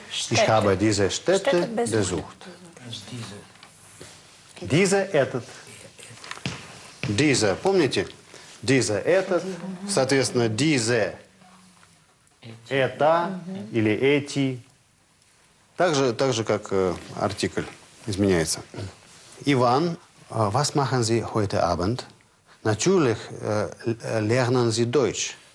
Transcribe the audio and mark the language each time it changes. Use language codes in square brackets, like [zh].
[de] Ich habe diese Städte besucht. Diese, [ru] этот. Diese, помните? Diese, этот. Соответственно, diese, это или эти. Так же, как артикль изменяется. [de] Иван, was machen Sie heute Abend? Natürlich lernen Sie Deutsch.